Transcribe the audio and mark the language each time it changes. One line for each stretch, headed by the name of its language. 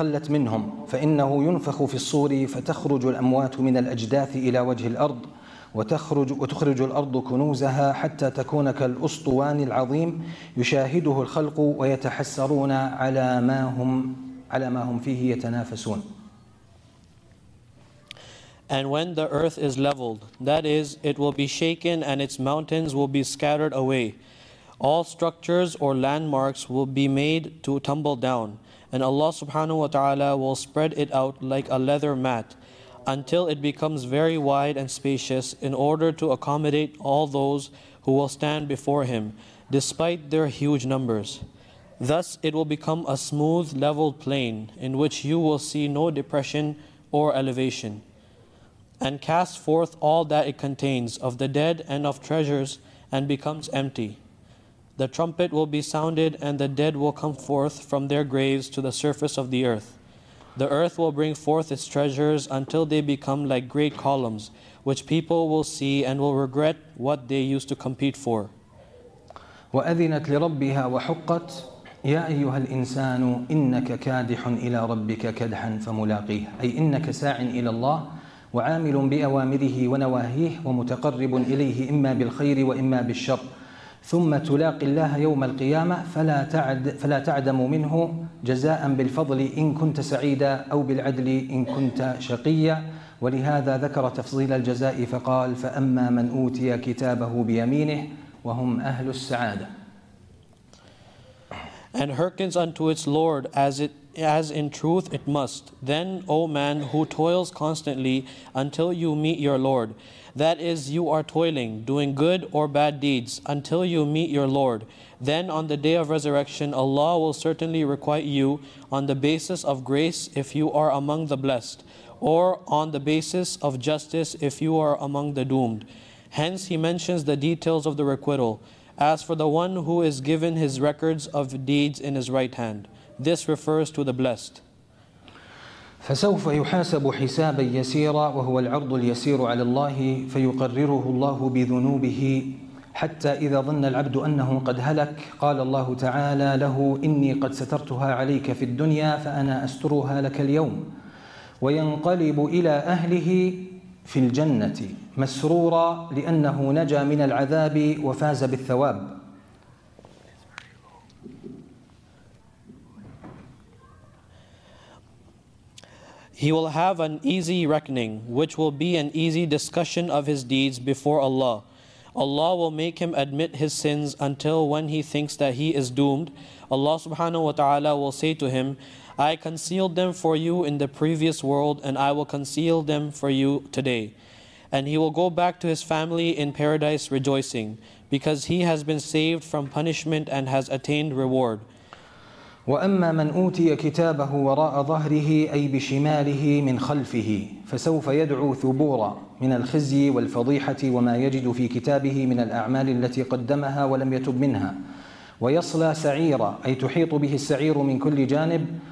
Arabic: منهم فإنه ينفخ في الصور فتخرج الأموات من الأجداث إلى وجه الأرض وتخرج الأرض كنوزها حتى تكون كالأسطوان العظيم يشاهده الخلق ويتحسرون على ما هم فيه يتنافسون.
English: And when the earth is leveled, that is, it will be shaken and its mountains will be scattered away. All structures or landmarks will be made to tumble down, and Allah subhanahu wa ta'ala will spread it out like a leather mat until it becomes very wide and spacious in order to accommodate all those who will stand before Him, despite their huge numbers. Thus it will become a smooth, leveled plain in which you will see no depression or elevation, and cast forth all that it contains of the dead and of treasures and becomes empty. The trumpet will be sounded and the dead will come forth from their graves to the surface of the earth. The earth will bring forth its treasures until they become like great columns, which people will see and will regret what they used to compete for.
Arabic: وَأَذِنَتْ لِرَبِّهَا وَحُقَّتْ يا أيها الإنسان إنك كادح إلى ربك كدحا فملاقيه أي إنك ساع إلى الله وعامل بأوامره ونواهيه ومتقرب إليه إما بالخير وإما بالشر ثم تلاقي الله يوم القيامة فلا تعدم منه جزاء بالفضل إن كنت سعيدا أو بالعدل إن كنت شقيا ولهذا ذكر تفضيل الجزاء فقال فأما من أوتي كتابه بيمينه وهم أهل السعادة.
English: And hearkens unto its Lord as in truth it must. Then, O man who toils constantly until you meet your Lord, that is, you are toiling, doing good or bad deeds, until you meet your Lord. Then on the day of resurrection, Allah will certainly requite you on the basis of grace if you are among the blessed, or on the basis of justice if you are among the doomed. Hence, he mentions the details of the requital. As for the one who is given his records of deeds in his right hand, this refers to the blessed.
Arabic: فسوف يحاسب حسابا يسيرا وهو العرض اليسير على الله فيقرره الله بذنوبه حتى إذا ظن العبد أنه قد هلك قال الله تعالى له إني قد سترتها عليك في الدنيا فأنا أسترها لك اليوم وينقلب إلى أهله في الجنة مسرورا لأنه نجا من العذاب وفاز بالثواب.
English: He will have an easy reckoning, which will be an easy discussion of his deeds before Allah. Allah will make him admit his sins until when he thinks that he is doomed. Allah subhanahu wa ta'ala will say to him, I concealed them for you in the previous world, and I will conceal them for you today. And he will go back to his family in paradise rejoicing, because he has been saved from punishment and has attained reward.
Arabic: وَأَمَّا مَنْ أُوْتِيَ كِتَابَهُ وَرَاءَ ظَهْرِهِ أَيْ بِشِمَالِهِ مِنْ خَلْفِهِ فَسَوْفَ يَدْعُو ثُبُورًا مِنَ الْخِزْيِ وَالْفَضِيحَةِ وَمَا يَجِدُ فِي كِتَابِهِ مِنَ الْأَعْمَالِ الَّتِي قَدَّمَهَا وَلَمْ يَتُبْ مِنْهَا وَيَصْلَى سَعِيرًا أي تحيط به السعير من كل جانب